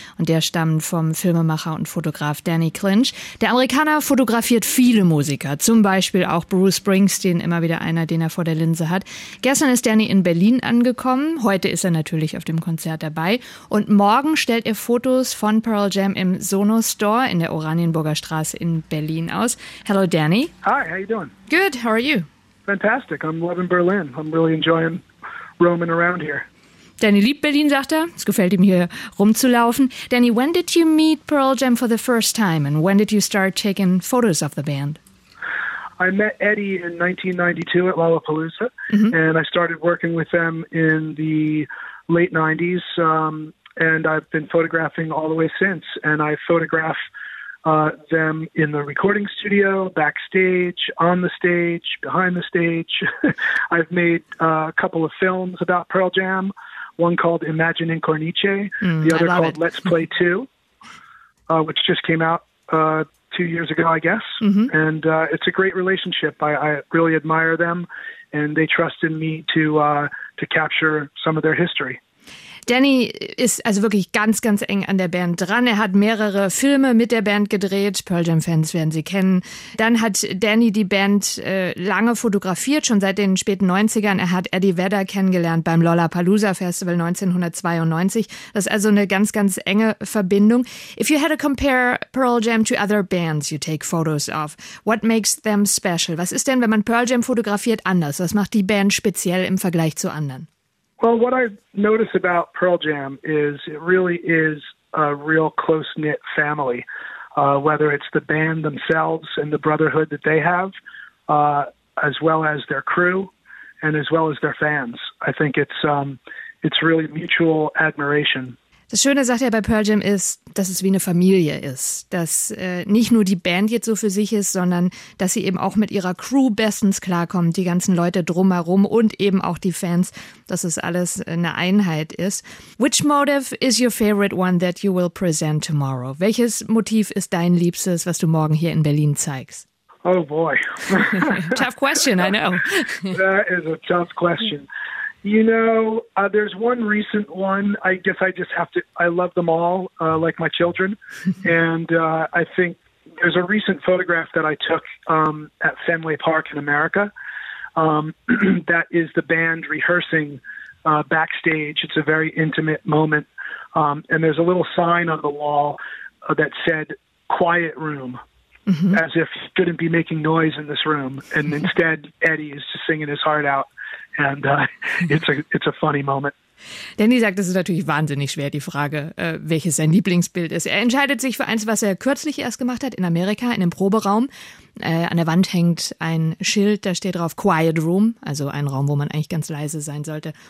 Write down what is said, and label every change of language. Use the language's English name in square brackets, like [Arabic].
[German] Und der stammt vom Filmemacher und Fotograf Danny Clinch. Der Amerikaner fotografiert viele Musiker, zum Beispiel auch Bruce Springsteen, immer wieder einer, den er vor der Linse hat. Gestern ist Danny in Berlin angekommen, heute ist er natürlich auf dem Konzert dabei. Und morgen stellt er Fotos von Pearl Jam im Sonos Store in der Oranienburger Straße in Berlin aus. [English] Hello Danny. Hi, how you doing? Good, how are you? Fantastic. I'm loving Berlin. I'm really enjoying roaming around here. [German] Danny liebt Berlin, sagt er. Es gefällt ihm, hier rumzulaufen. [English] Danny, when did you meet Pearl Jam for the first time and when did you start taking photos of the band? I met Eddie in 1992 at Lollapalooza, mm-hmm. and I started working with them in the late 90s, and I've been photographing all the way since, and I photograph them in the recording studio, backstage, on the stage, behind the stage. I've made a couple of films about Pearl Jam, one called Imagine Incorniche, the other called it. Let's Play 2, which just came out 2 years ago, I guess. Mm-hmm. And it's a great relationship. I really admire them, and they trust in me to capture some of their history. [German] Danny ist also wirklich ganz, ganz eng an der Band dran. Er hat mehrere Filme mit der Band gedreht. Pearl Jam-Fans werden sie kennen. Dann hat Danny die Band lange fotografiert, schon seit den späten 90ern. Er hat Eddie Vedder kennengelernt beim Lollapalooza-Festival 1992. Das ist also eine ganz, ganz enge Verbindung. [English] If you had to compare Pearl Jam to other bands you take photos of, what makes them special? [German] Was ist denn, wenn man Pearl Jam fotografiert, anders? Was macht die Band speziell im Vergleich zu anderen? [English] Well, what I notice about Pearl Jam is it really is a real close-knit family, whether it's the band themselves and the brotherhood that they have, as well as their crew and as well as their fans. I think it's really mutual admiration. [German] Das Schöne, sagt er, bei Pearl Jam ist, dass es wie eine Familie ist, dass nicht nur die Band jetzt so für sich ist, sondern dass sie eben auch mit ihrer Crew bestens klarkommt, die ganzen Leute drumherum und eben auch die Fans, dass es alles eine Einheit ist. [English] Which motive is your favorite one that you will present tomorrow? [German] Welches Motiv ist dein liebstes, was du morgen hier in Berlin zeigst? [English] Oh boy. Tough question, I know. That is a tough question. You know, there's one recent one. I guess I just have to, I love them all, like my children. And I think there's a recent photograph that I took at Fenway Park in America. that is the band rehearsing backstage. It's a very intimate moment. And there's a little sign on the wall that said, quiet room. Mm-hmm. As if he couldn't be making noise in this room. And instead, Eddie is just singing his heart out. And it's a funny moment. [German] Danny sagt, es ist natürlich wahnsinnig schwer, die Frage, welches sein Lieblingsbild ist. Er entscheidet sich für eins, was er kürzlich erst gemacht hat, in Amerika, in einem Proberaum. An der Wand hängt ein Schild, da steht drauf Quiet Room, also ein Raum, wo man eigentlich ganz leise sein sollte.